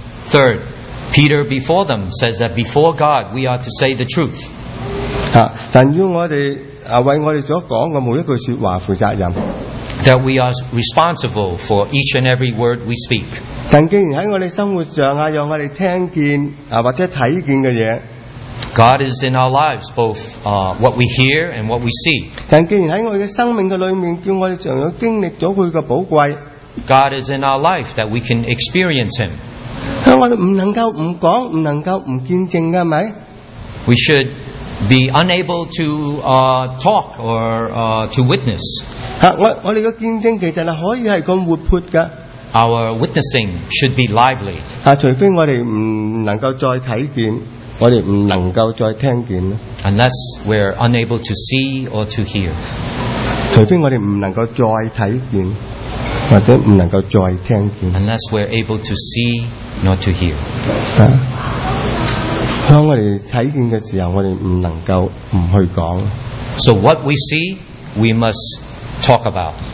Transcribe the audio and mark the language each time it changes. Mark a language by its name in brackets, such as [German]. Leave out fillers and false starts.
[English] third, Peter before them says that before God we are to say the truth. [Chinese] 但要我们为我们所说的每一句说话负责任, [English] that we are responsible for each and every word we speak. [Chinese] 但既然在我们生活上,让我们听见或者看见的东西, [English] God is in our lives, both what we hear and what we see. [Chinese] 但既然在我们的生命里面,叫我们经历了他的宝贵, [English] God is in our life that we can experience Him. [Chinese] 我们不能够不说,不能够不见证的,是吧? [English] We should be unable to talk or to witness. [Chinese] 我们的见证其实是可以是这么活泼的, [English] our witnessing should be lively. [Chinese] 除非我们不能够再看见, 我们不能够再听见, [English] unless we are unable to see or to hear. [Chinese] 除非我们不能够再看见, 或者不能够再听见, [English] unless we are able to see nor to hear. [Chinese] 当我们看见的时候, 我们不能够不去讲, [English] so what we see, we must talk about.